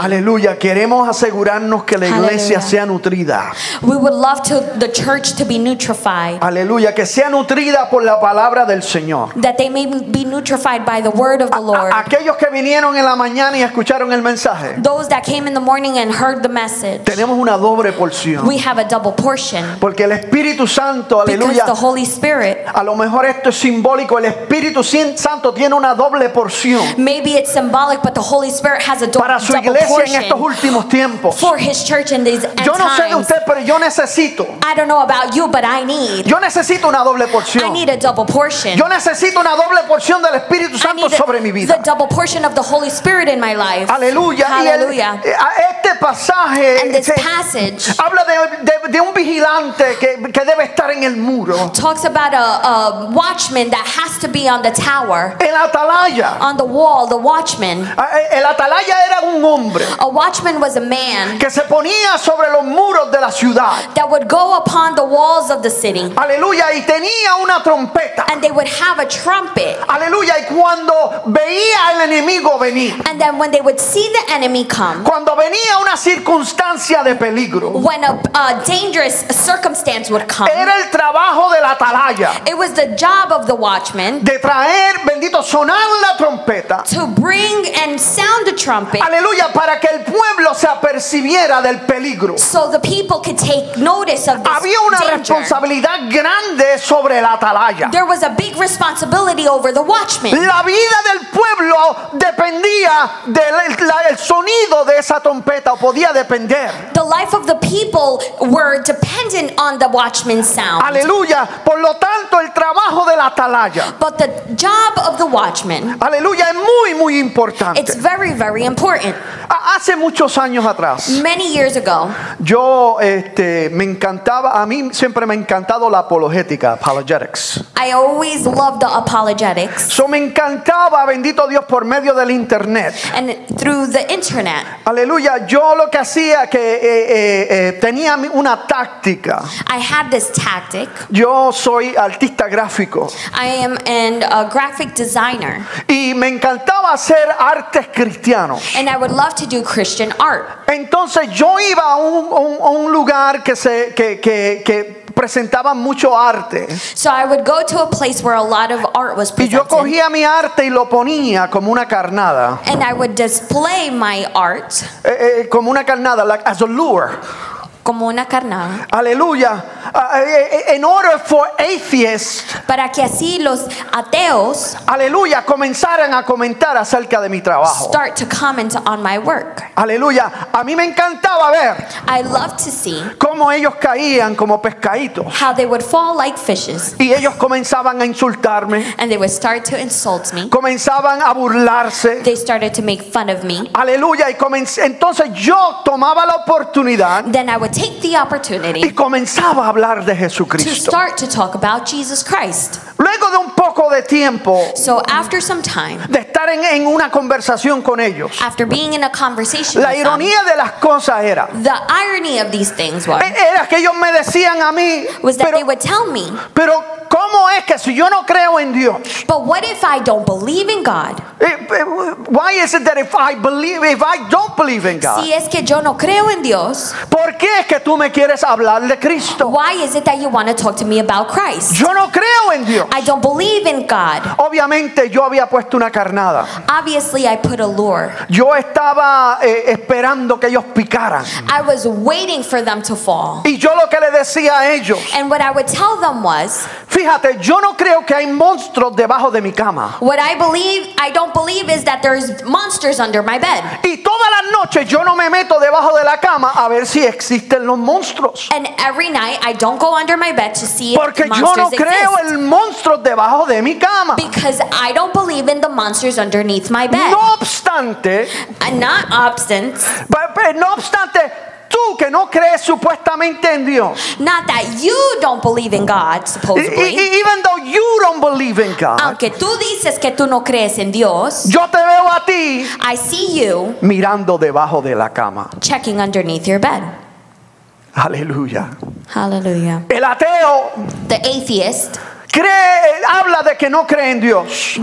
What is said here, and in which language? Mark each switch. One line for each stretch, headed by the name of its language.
Spanish: Aleluya, queremos asegurarnos que la iglesia sea nutrida.
English: We would love to the church to be nutrified.
Spanish: Aleluya, que sea nutrida por la palabra del Señor.
English: That they may be nutrified by the word of the Lord.
Spanish: Aquellos que vinieron en la mañana y escucharon el mensaje,
English: those that came in the morning and heard the message,
Spanish: tenemos una doble.
English: We have a double portion.
Spanish: Porque el Espíritu Santo, aleluya,
English: because the Holy Spirit,
Spanish: a lo mejor esto es simbólico, el Espíritu Santo tiene una doble porción.
English: Maybe it's symbolic, but the Holy Spirit has a double portion.
Spanish: Para su iglesia en estos últimos tiempos.
English: For his church in these
Spanish: yo no
English: times.
Spanish: Sé de usted, pero yo necesito.
English: I don't know about you, but I need.
Spanish: Yo necesito una doble porción.
English: I need a double portion.
Spanish: Yo necesito una doble porción del Espíritu Santo sobre mi vida.
English: The double portion of the Holy Spirit in my life.
Spanish: Aleluya.
English: Hallelujah.
Spanish: Este pasaje.
English: And this passage.
Spanish: Habla de un vigilante que debe estar en el muro.
English: Talks about a watchman that has to be on the tower.
Spanish: El atalaya.
English: On the wall, the watchman.
Spanish: El atalaya era un hombre.
English: A watchman was a man.
Spanish: Que se ponía ponía sobre los muros de la ciudad.
English: That would go upon the walls of the city.
Spanish: Aleluya, y tenía una trompeta.
English: And they would have a trumpet.
Spanish: Aleluya, y cuando veía el enemigo venir.
English: And then when they would see the enemy come.
Spanish: Cuando venía una circunstancia de peligro.
English: When a dangerous circumstance would come.
Spanish: Era el trabajo de la atalaya.
English: It was the job of the watchman.
Spanish: De traer, bendito, sonar la trompeta.
English: To bring and sound the trumpet.
Spanish: Aleluya, para que el pueblo se apercibiera del peligro.
English: So the people could take notice of this.
Spanish: Había una responsabilidad grande sobre la atalaya.
English: There was a big responsibility over the watchman.
Spanish: La vida del pueblo dependía del sonido de esa trompeta, o podía depender.
English: The life of the people were dependent on the watchman's sound.
Spanish: Aleluya, por lo tanto el trabajo de la atalaya.
English: But the job of the watchman.
Spanish: Aleluya, es muy muy importante.
English: It's very very important.
Spanish: Hace muchos años atrás.
English: Many years ago.
Spanish: Yo me encantaba, a mí siempre me ha encantado la apologética, apologetics.
English: I always loved the apologetics.
Spanish: So me encantaba, bendito Dios, por medio del internet.
English: And through the internet.
Spanish: Aleluya, yo lo que hacía que tenía una táctica.
English: I had this tactic.
Spanish: Yo soy artista gráfico.
English: I am a graphic designer.
Spanish: Y me encantaba hacer artes cristianos.
English: And I would love to do Christian art.
Spanish: Entonces yo iba a un lugar que presentaban mucho arte.
English: So I would go to a place where a lot of art was presented.
Spanish: Y yo cogía mi arte y lo ponía como una carnada.
English: And I would display my art.
Spanish: Como una carnada,
English: like as a lure.
Spanish: Como una carnada.
English: Aleluya. In order for atheists.
Spanish: Para que así los ateos. Aleluya. Comenzaran a comentar acerca de mi trabajo.
English: Start to comment on my work.
Spanish: Aleluya. A mí me encantaba ver.
English: I love to see.
Spanish: Cómo ellos caían como pescaditos.
English: How they would fall like fishes.
Spanish: Y ellos comenzaban a insultarme.
English: And they would start to insult me.
Spanish: Comenzaban a burlarse.
English: They started to make fun of me.
Spanish: Aleluya. Y entonces yo tomaba la oportunidad.
English: Then I would take the opportunity.
Spanish: Y comenzaba a hablar de Jesucristo.
English: To start to talk about Jesus Christ.
Spanish: Luego de un poco de tiempo.
English: So after some time.
Spanish: De estar en una conversación con ellos.
English: After being in a conversation.
Spanish: La ironía de las cosas era.
English: The irony of these things was.
Spanish: Era que ellos me decían a mí.
English: Was that they would tell me.
Spanish: Pero ¿cómo es que si yo no creo en Dios?
English: But what if I don't believe in God? Why is it that if I don't believe in God?
Spanish: Si es que yo no creo en Dios. ¿Por qué es que tú me quieres hablar de Cristo?
English: Why is it that you want to talk to me about Christ?
Spanish: Yo no creo en Dios.
English: I don't believe in God.
Spanish: Obviamente yo había puesto una carnada.
English: Obviously I put a lure.
Spanish: Yo estaba esperando que ellos picaran.
English: I was waiting for them to fall.
Spanish: Y yo lo que le decía a ellos.
English: And what I would tell them was.
Spanish: Fíjate, yo no creo que hay monstruos debajo de mi cama.
English: What I don't believe is that there's monsters under my bed.
Spanish: Y todas las noches yo no me meto debajo de la cama a ver si existen los monstruos.
English: And every night I don't go under my bed to see
Spanish: porque
English: if the monsters exist.
Spanish: Porque yo no creo en monstruos debajo de mi cama.
English: Because I don't believe in the monsters underneath my bed.
Spanish: No obstante.
English: Not obstant.
Spanish: But no obstante. Tú que no crees supuestamente en Dios.
English: Not that you don't believe in God, supposedly. Even though you don't believe in God.
Spanish: Aunque tú dices que tú no crees en Dios. Yo te veo a ti.
English: I see you.
Spanish: Mirando debajo de la cama.
English: Checking underneath your bed.
Spanish: Aleluya.
English: Hallelujah.
Spanish: El ateo.
English: The atheist.
Spanish: Habla de que no cree en Dios.